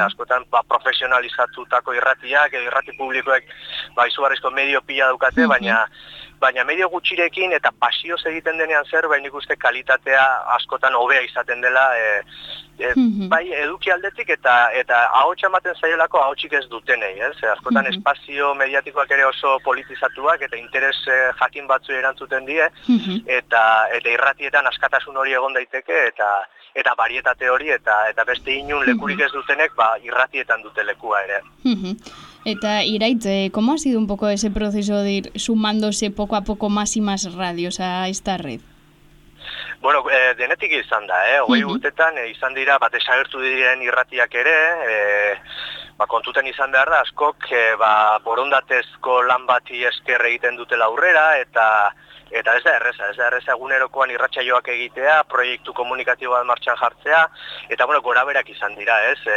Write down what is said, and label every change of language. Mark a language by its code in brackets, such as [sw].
[eu] Askotan ba, profesionalizatutako irratiak, irrati publikoek ba, izugarrizko medio pila daukate, baina medio gutxirekin eta pasioz egiten denean zer, baina ikuste kalitatea askotan hobea izaten dela, bai eduki aldetik eta ahotsa ematen zaielako ahotsik ez dutenei, ez? Askotan espazio mediatikoak ere oso politizatuak eta interes jakin batzu erantzuten die, eta irratietan askatasun hori egon daiteke eta barietate hori eta beste inun lekurik ez dutenek, ba, irratietan dute lekua ere. [es] Eta Iraitz, ¿cómo ha sido un poco ese proceso de ir sumándose poco a poco más y más radios a esta red? [eu] Bueno, denetik izan da, hogei urtetan izan dira, ba, desagertu diren irratiak ere, ba, kontuten izan behar da, askok, ba, borondatezko lan bati esker egiten dutela aurrera, eta ez da erreza egunerokoan irratsaioak egitea, proiektu komunikatibo bat martxan jartzea, eta bueno, goraberak izan dira, ez?